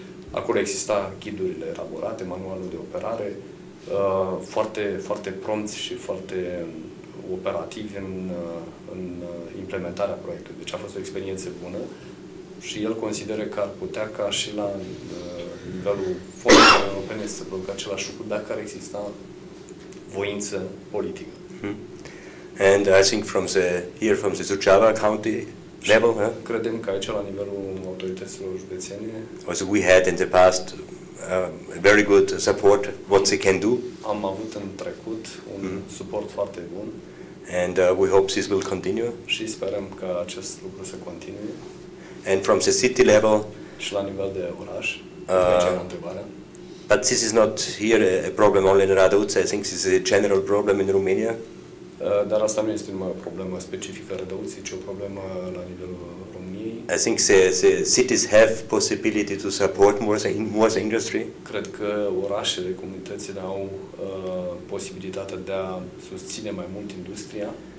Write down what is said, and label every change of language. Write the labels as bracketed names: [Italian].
[Romanian] Acolo exista ghidurile elaborate, manualul de operare, foarte, foarte prompt și foarte operativ în implementarea proiectului. Deci a fost o experiență bună și el consideră că ar putea ca și la nivelul fondurilor europene să producă același lucru dacă ar exista voință politică. [English] And I think from the Suceava County level, huh? [Romanian] Credem că aici la nivelul autorităților județene. [English] Also, we had in the past very good support. What they can do? [Romanian] Am avut în trecut un suport foarte bun. [English] And we hope this will continue. [Romanian] Și sperăm că acest lucru să continue. [English] And from the city level. [Romanian] Și la nivel de oraș. [English] But this is not here a problem only in Radu. I think this is a general problem in Romania. [Romanian] Dar asta nu este numai o problemă specifică Rădăuții, ci o problemă la nivelul României. [English] I think the cities have possibility to support more industry. [Romanian] Cred că orașele, comunitățile au posibilitatea de a susține mai mult industria.